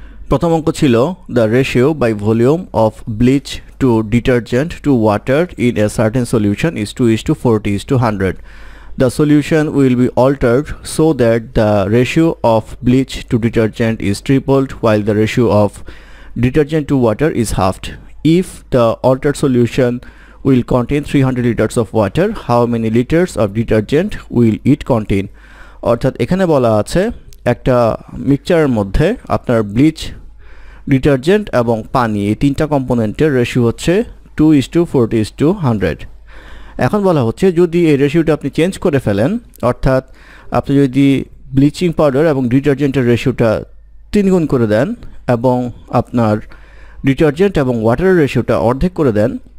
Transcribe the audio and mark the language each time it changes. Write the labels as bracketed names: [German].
[Bangla] প্রথম অঙ্ক ছিল [English] The ratio by volume of bleach to detergent to water in a certain solution is 2:40:100 The solution will be altered so that the ratio of bleach to detergent is tripled while the ratio of detergent to water is halved. If the altered solution will contain 300 liters of water, how many liters of detergent will it contain? [Bangla] অর্থাৎ এখানে বলা আছে একটা মিক্সচারের মধ্যে আপনার bleach detergent এবং পানি এই তিনটা কম্পোনেন্টের রেশিও হচ্ছে 2:40:100 এখন বলা হচ্ছে যদি এই রেশিওটা আপনি চেঞ্জ করে ফেলেন অর্থাৎ আপনি যদি ব্লিচিং পাউডার এবং ডিটারজেন্টের রেশিওটা তিন গুণ করে দেন এবং আপনার ডিটারজেন্ট এবং ওয়াটারের রেশিওটা অর্ধেক করে দেন